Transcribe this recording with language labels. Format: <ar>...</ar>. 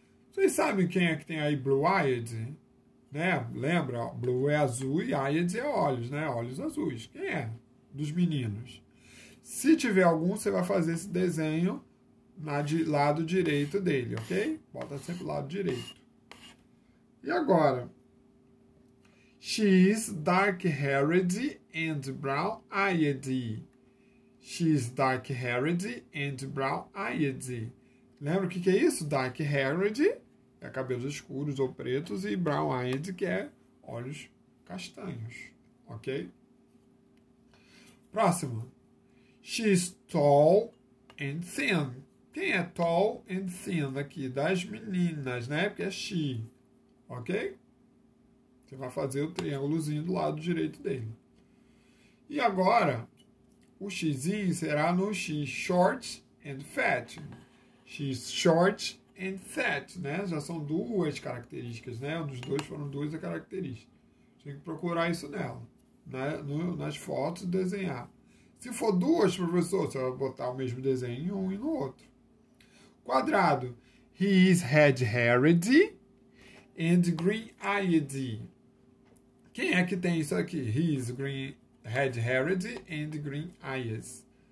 <pt>Vocês sabem quem é que tem aí blue-eyed? Né? Lembra? Ó, blue é azul e eyed é olhos, né? Olhos azuis. Quem é? Dos meninos. Se tiver algum, você vai fazer esse desenho de lado direito dele, ok? Bota sempre o lado direito. E agora?</pt> <en>She's dark-haired and brown-eyed. She's dark-haired and brown-eyed.</en> <pt>Lembra o que é isso? Dark-haired é cabelos escuros ou pretos e brown-eyed que é olhos castanhos, ok? Próximo.</pt> <en>She's tall and thin.</en> <pt>Quem é</pt> <en>tall and thin aqui?</en> <pt>Das meninas, né? Porque é she, ok? Você vai fazer o triângulozinho do lado direito dele. E agora, o xizinho será no x,</pt> <en>short and fat. She's short and fat,</en> <pt>né? Já são duas características, né? Um dos dois foram duas características. Tem que procurar isso nela, né? Nas fotos desenhar. Se for duas, professor, você vai botar o mesmo desenho em um e no outro. Quadrado.</pt> <en>He is red-haired and green-eyed.</en> <pt>Quem é que tem isso aqui?</pt> <en>He is red-haired and green-eyed.</en>